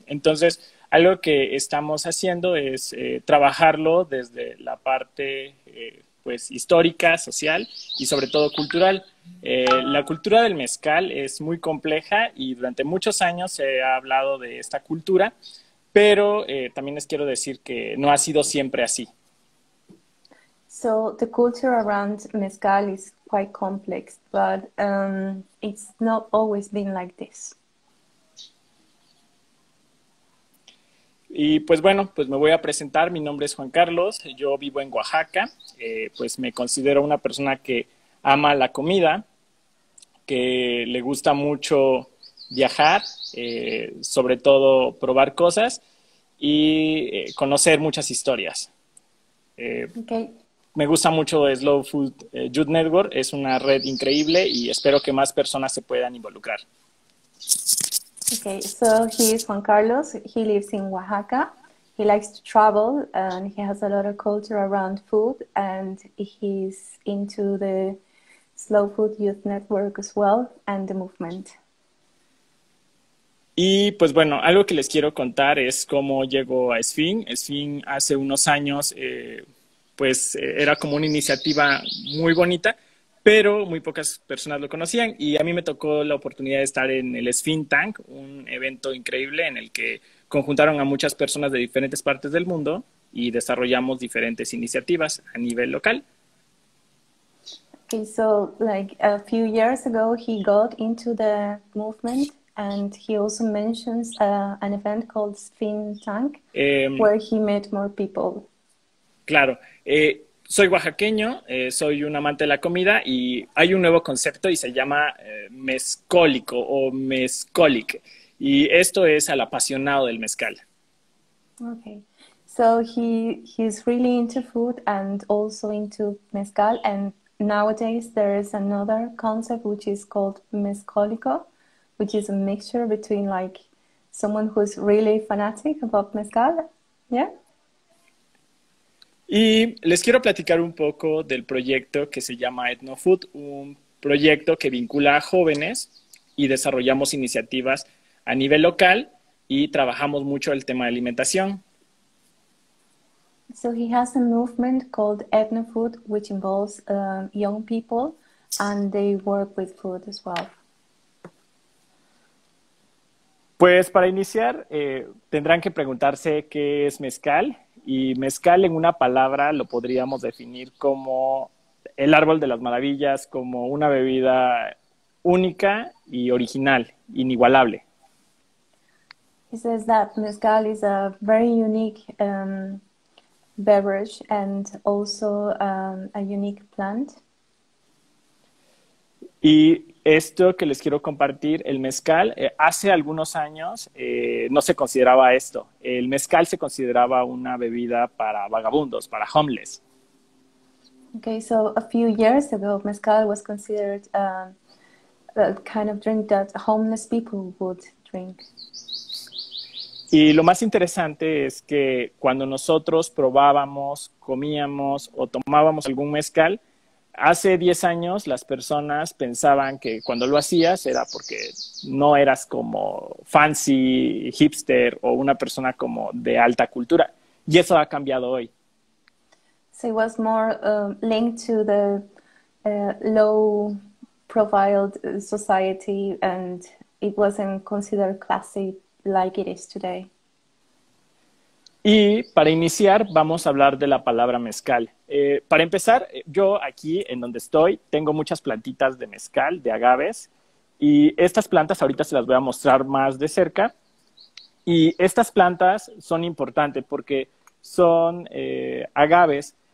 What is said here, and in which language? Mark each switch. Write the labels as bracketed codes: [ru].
[es] Entonces, algo que estamos haciendo es trabajarlo desde la parte pues histórica, social y sobre todo cultural. La cultura del mezcal es muy compleja y durante muchos años se ha hablado de esta cultura. Pero también les quiero decir que no ha sido siempre así. [en] So the culture around mezcal is quite complex, but it's not always been like this. [es] Y pues bueno, pues me voy a presentar. Mi nombre es Juan Carlos, yo vivo en Oaxaca. Pues me considero una persona que ama la comida, que le gusta mucho viajar, sobre todo probar cosas y conocer muchas historias. [en] Okay. [es] Me gusta mucho Slow Food Youth Network, es una red increíble y espero que más personas se puedan involucrar. [en] Okay, so he is Juan Carlos. He lives in Oaxaca. He likes to travel and he has a lot of culture around food and he's into the Slow Food Youth Network as well and the movement. [es] Y pues bueno, algo que les quiero contar es cómo llegó a Sphin. Sphin hace unos años, pues era como una iniciativa muy bonita, pero muy pocas personas lo conocían. Y a mí me tocó la oportunidad de estar en el Sphin Tank, un evento increíble en el que conjuntaron a muchas personas de diferentes partes del mundo y desarrollamos diferentes iniciativas a nivel local. [en] Okay, so like a few years ago, he got into the movement and he also mentions an event called Sphin Tank where he met more people. [es] Claro, soy oaxaqueño, soy un amante de la comida y hay un nuevo concepto y se llama mezcólico o mezcolic, y esto es al apasionado del mezcal. [en] Okay. So he's really into food and also into mezcal and nowadays, there is another concept which is called mezcólico, which is a mixture between like someone who's really fanatic about mezcal. Yeah. [es] Y les quiero platicar un poco del proyecto que se llama Etnofood, un proyecto que vincula a jóvenes y desarrollamos iniciativas a nivel local y trabajamos mucho el tema de alimentación. [en] So he has a movement called Ethnofood, which involves young people, and they work with food as well. [es] Pues para iniciar, tendrán que preguntarse qué es mezcal. Y mezcal en una palabra lo podríamos definir como el árbol de las maravillas, como una bebida única y original, inigualable. [en] He says that mezcal is a very unique beverage and also a unique plant. [es] Y esto que les quiero compartir, el mezcal, hace algunos años no se consideraba esto. El mezcal se consideraba una bebida para vagabundos, para homeless. [en] Okay, so a few years ago, mezcal was considered a kind of drink that homeless people would drink. [es] Y lo más interesante es que cuando nosotros probábamos, comíamos o tomábamos algún mezcal, hace 10 años las personas pensaban que cuando lo hacías era porque no eras como fancy, hipster o una persona como de alta cultura. Y eso ha cambiado hoy. [en] So it was more linked to the low-profiled society, and it wasn't considered classy like it is today. [es] Y para iniciar, vamos a hablar de la palabra mezcal. Para empezar, yo aquí en donde estoy tengo muchas plantitas de mezcal, de agaves, y estas plantas ahorita se las voy a mostrar más de cerca. Y estas plantas son importantes porque son agaves.